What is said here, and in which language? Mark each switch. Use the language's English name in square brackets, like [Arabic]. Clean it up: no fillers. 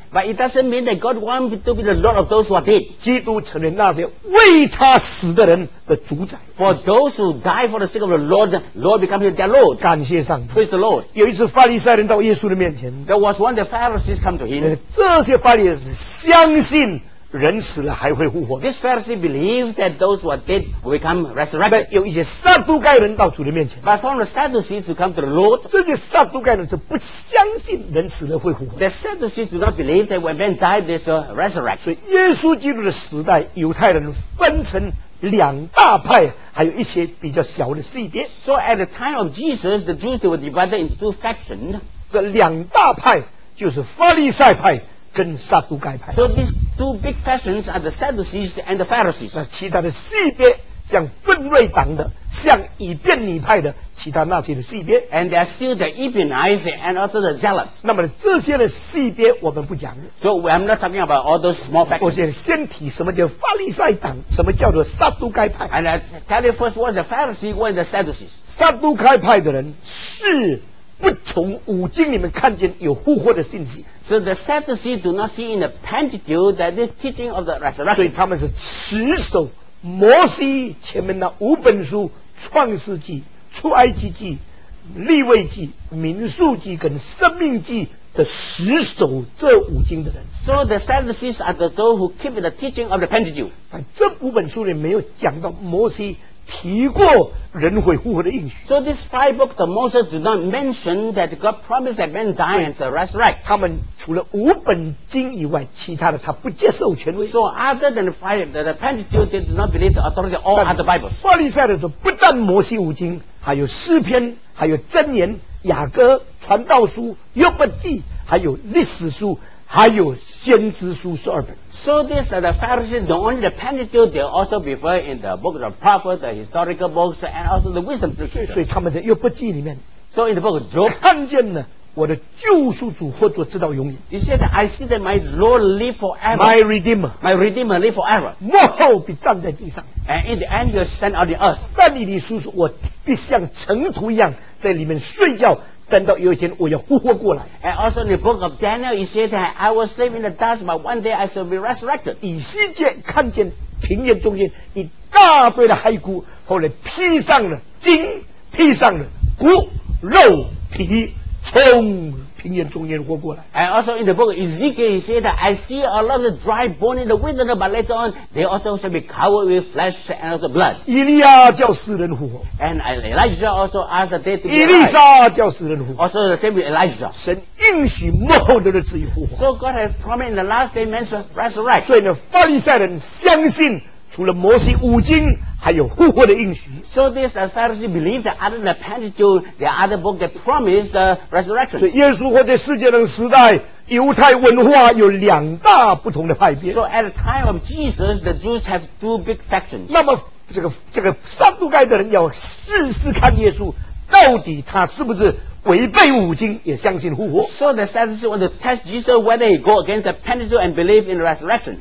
[English] But it doesn't mean that God wants to be the Lord of those who are dead. [Chinese] 基督成了那些为他死的人的主宰。 [English] For those who die for the sake of the Lord, Lord becomes their Lord. [Chinese] 感谢上帝。 [English] Praise the Lord. [Chinese] 有一次法利赛人到耶稣的面前。 [English] There was one the Pharisees come to him. [Chinese] 这些法利赛人相信人死了还会复活。 [English] This Pharisee believed that those who are dead will become resurrected. [Chinese] 有一些撒都盖人到主的面前。 [English] But from the Sadducees who come to the Lord, [Chinese] 这些撒都盖人是不相信人死了会复活。 [English] The Sadducees do not believe that when men die, they shall resurrect. [Chinese] 所以耶稣基督的时代，犹太人分成两大派，还有一些比较小的细别。 [English] So at the time of Jesus, the Jews were divided into two factions. [Chinese] 这两大派就是法利赛派。跟撒都盖派 [English] So these two big factions are the Sadducees and the Pharisees [Chinese] 那其他的细别像分锐党的像以便尼派的其他那些的细别 [English] And there are still the Ebionites and also the Zealots [Chinese] 那么这些的细别我们不讲 [English] So I'm not talking about all those small factions [Chinese] 我先提什么叫法利赛党什么叫做撒都盖派 [English] And I tell you first what's the Pharisees what's the Sadducees [Chinese] 撒都盖派的人是不从五经里面看见有复活的信息 [English] So the Sadducees do not see in the Pentateuch that this teaching of the resurrection [Chinese] 所以他们是持守摩西前面那五本书，创世纪、出埃及记、利未记、民数记跟生命记的十首这五经的人。 [English] So the Sadducees are the those who keep the teaching of the Pentateuch。 [Chinese] 这五本书里没有讲到摩西提过人会复活的应许。 [English] So these five books of Moses do not mention that God promised that men die and resurrect。 [Chinese] 他们除了五本经以外，其他的他不接受权威。 [English] So other than the Pentateuch, they do not believe the authority of all other Bibles。 [Chinese] 法利赛人说，不但摩西五经，还有诗篇，还有箴言、雅歌、传道书、约伯记，还有历史书，还有先知书十二本。 [English] So these are the Pharisees, the only the Pentateuch, they also refer in the book of the prophet, the historical books, and also the wisdom tradition. [Chinese] 所以他们在约伯记里面。 [English] So in the book of Job, [Chinese] 看见了我的救赎主活着直到永远。 [English] He said, I see that my Lord live forever. My Redeemer live forever. [Chinese] 幕后必站在地上。 [English] And in the end, you'll stand on the earth. [Chinese] 但以理书说，我必像尘土一样在里面睡觉。等到有一天我要复活过来。 [English] And also in the book of Daniel he said that I will sleep in the dust but one day I shall be resurrected. [Chinese] 以西结看见庭院中间一大堆的骸骨，后来披上了筋，披上了骨肉皮，从庭院中间活过来。 [English] And also in the book of Ezekiel he said that I see a lot of dry bones in the wilderness but later on they also shall be covered with flesh and also blood. [Chinese] 以利亚叫死人复活。 [English] And Elijah also asked the dead to be alive. [Chinese] 以利沙叫死人复活。 [English] Also the same with Elijah. [Chinese] 神应许末后的日子复活。 [English] So God has promised in the last day men shall resurrect. [Chinese] 所以呢，法利赛人相信除了摩西五经还有复活的应许。 [English] So this Pharisee believed that other than the Pentateuch, the other book that promised the resurrection. [Chinese] 所以耶稣活在世界的时代，犹太文化有两大不同的派别。 [English] So at the time of Jesus, the Jews have two big factions. [Chinese] 那么这个撒杜盖的人要试试看耶稣到底他是不是违背五经也相信复活。 [English] So the Sadducees want to test Jesus whether he go against the Pentateuch and believe in the resurrection.